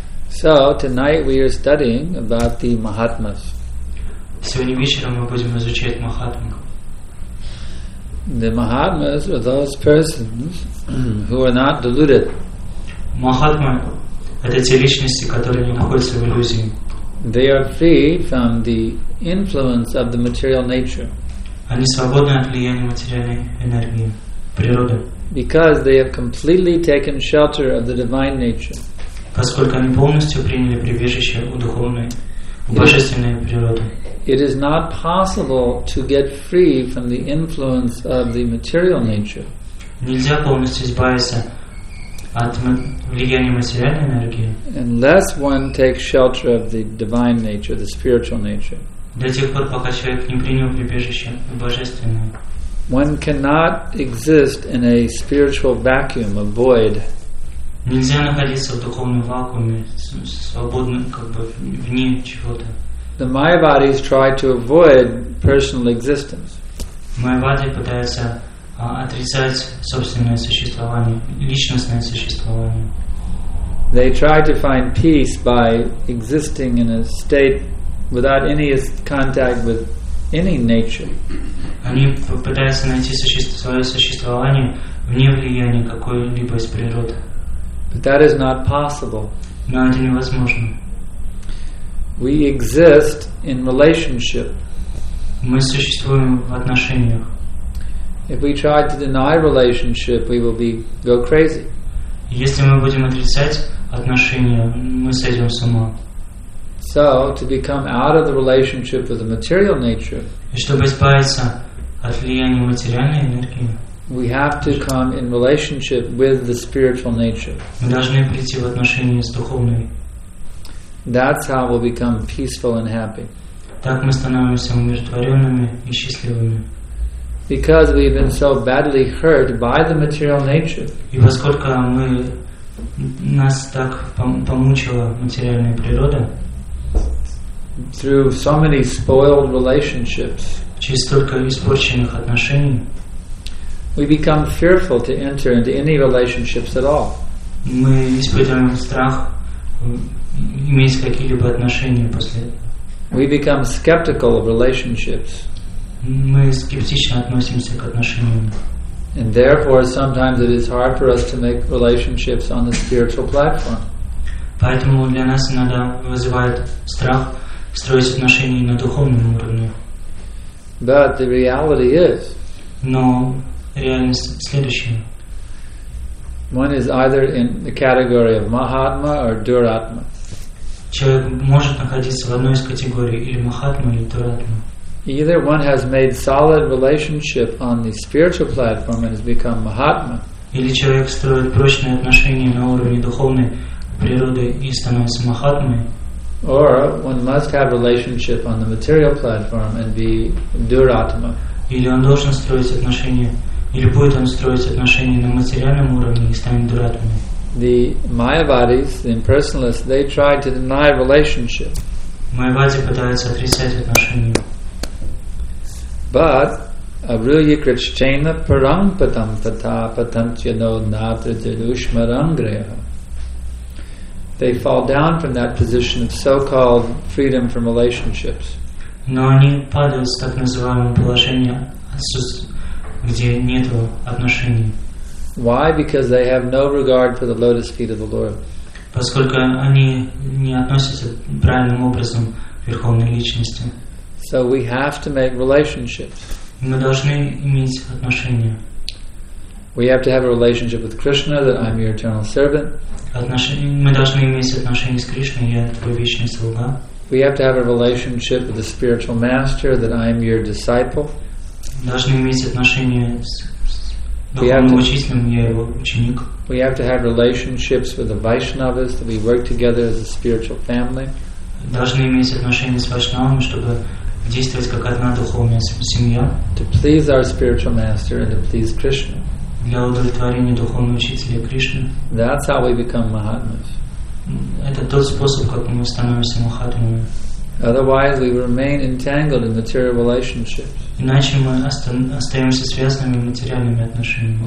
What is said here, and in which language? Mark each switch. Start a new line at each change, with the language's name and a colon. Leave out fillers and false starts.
English: So tonight we are studying about the Mahatmas.
Russian: Сегодня вечером мы будем изучать Mahatmas.
English: The Mahatmas are those persons who are not deluded.
Russian: Mahatma – это те личности, которые не находятся в иллюзии.
English: They are free from the influence of the material nature.
Russian: Они свободны от влияния материальной энергии, природы.
English: Because they have completely taken shelter of the divine nature.
Russian: Поскольку они полностью приняли прибежище у духовной, у божественной природы.
English: It is not possible to get free from the influence of the material nature.
Russian: Нельзя полностью избавиться от влияния материальной энергии.
English: Unless one takes shelter of the divine nature, the spiritual nature.
Russian: До тех пор, пока человек не принял прибежище божественное.
English: One cannot exist in a spiritual vacuum, a void.
Russian: Нельзя находиться в духовном вакууме, свободно как бы вне чего-то.
English: The Mayavadis try to avoid personal existence.
Russian: Mayavadi пытается отрицать собственное существование, личностное существование.
English: They try to find peace by existing in a state without any contact with any nature.
Russian: Они пытаются найти свое существование вне влияния какой-либо из природы.
English: But that is not possible.
Russian: Но это невозможно.
English: We exist in relationship.
Russian: Мы существуем в отношениях.
English: If we try to deny relationship, we will go crazy.
Russian: Если мы будем отрицать отношения, мы сойдем с ума.
English: So, to become out of the relationship with the material nature,
Russian: и чтобы избавиться от влияния материальной энергии,
English: we have to come in relationship with the spiritual nature.
Russian: Мы должны прийти в отношения с духовной.
English: That's how we'll become peaceful and happy.
Russian: Так мы становимся умиротворенными и счастливыми.
English: Because we've been so badly hurt by the material nature.
Russian: И поскольку нас так помучила материальная природа.
English: Through so many spoiled relationships.
Russian: Через столько испорченных отношений.
English: We become fearful to enter into any relationships at all.
Russian: Мы испытываем страх. Иметь какие-либо отношения после этого.
English: We become skeptical of relationships.
Russian: Мы скептично относимся к отношениям.
English: And therefore, sometimes it is hard for us to make relationships on the spiritual platform.
Russian: Поэтому для нас иногда вызывает страх строить отношения на духовном уровне.
English: But the reality is.
Russian: Но реальность следующая.
English: One is either in the category of Mahatma or Duratma.
Russian: Человек может находиться в одной из категорий или Махатма, или Дуратма.
English: Either one has made solid relationship on the spiritual platform and has become Mahatma.
Russian: Или человек строит прочные отношения на уровне духовной природы и становится Махатмой.
English: Or one must have relationship on the material platform and be Duratma.
Russian: Или он должен строить отношения, или будет он строить отношения на материальном уровне и станет Дуратмой.
English: The Mayavadis, the impersonalists, they try to deny relationship.
Russian: Майявади пытаются отрицать отношения. But Abhruya Krishchena Param Patam Pata Patantyano Natra Jalushmarangreha.
English: They fall down from that position of so-called freedom from relationships.
Russian: Но они падают с так называемого положения, где нет отношений.
English: Why? Because they have no regard for the lotus feet of the Lord.
Russian: Поскольку они не относятся правильным образом к Верховной Личности.
English: So we have to make relationships.
Russian: Мы должны иметь отношения.
English: We have to have a relationship with Krishna, that I'm your eternal servant.
Russian: Мы должны иметь отношения с Кришной, я твой вечный слуга.
English: We have to have a relationship with the spiritual master, that I am your disciple.
Russian: Должны иметь отношения с духовным учителем, я его ученик.
English: We have to have relationships with the Vaishnavas, that we work together as a spiritual family.
Russian: Должны иметь отношения с Вайшнавами, чтобы действовать как одна духовная семья.
English: To please our spiritual master and to please Krishna.
Russian: Для удовлетворения духовного учителя Кришны.
English: That's how we become Mahatmas.
Russian: Это тот способ, как мы становимся Махатмами.
English: Otherwise, we remain entangled in material relationships.
Russian: Иначе мы остаемся связанными материальными отношениями.